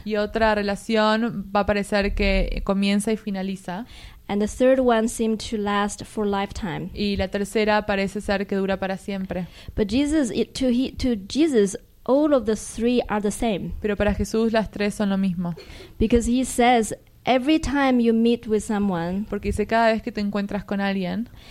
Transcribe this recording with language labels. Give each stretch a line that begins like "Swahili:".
Spanish: Y otra relación va a parecer que comienza y finaliza.
English: And the third one seemed to last for a lifetime.
Spanish: Y la tercera parece ser que dura para siempre.
English: But Jesus, to Jesus, all of the three are the same.
Spanish: Pero para Jesús las tres son lo mismo.
English: Because he says, every time you meet with someone,
Spanish: porque dice cada vez que te encuentras con alguien,